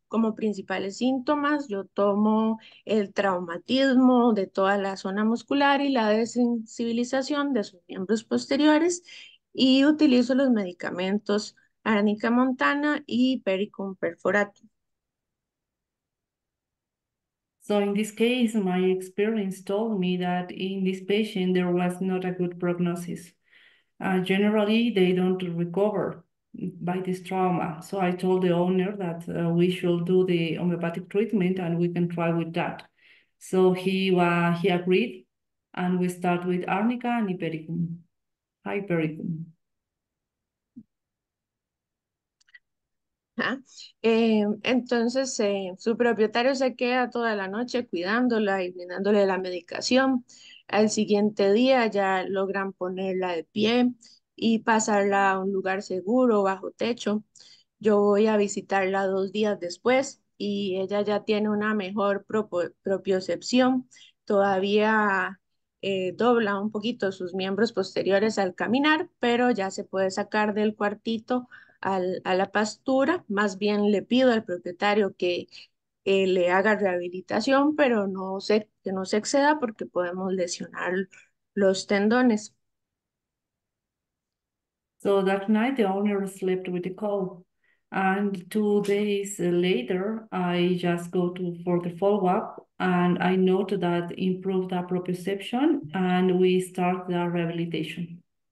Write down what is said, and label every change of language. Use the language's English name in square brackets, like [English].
[Spanish] Como principales síntomas, yo tomo el traumatismo de toda la zona muscular y la desensibilización de sus miembros posteriores y utilizo los medicamentos Arnica Montana y Pericum Perforatum. [English] So in this case, my experience told me that in this patient there was not a good prognosis. Generally, they don't recover by this trauma. So I told the owner that we should do the homeopathic treatment and we can try with that. So he agreed, and we start with Arnica and Hypericum. [Spanish] Entonces, su propietario se queda toda la noche cuidándola y brindándole la medicación. Al siguiente día ya logran ponerla de pie y pasarla a un lugar seguro bajo techo. Yo voy a visitarla 2 días después y ella ya tiene una mejor propiocepción. Todavía dobla un poquito sus miembros posteriores al caminar, pero ya se puede sacar del cuartito a la pastura. Más bien le pido al propietario que le haga rehabilitación, pero que no se exceda porque podemos lesionar los tendones. [English] So that night the owner slept with the call, and 2 days later I just go to for the follow-up and I note that improved our proprioception and we start the rehabilitation.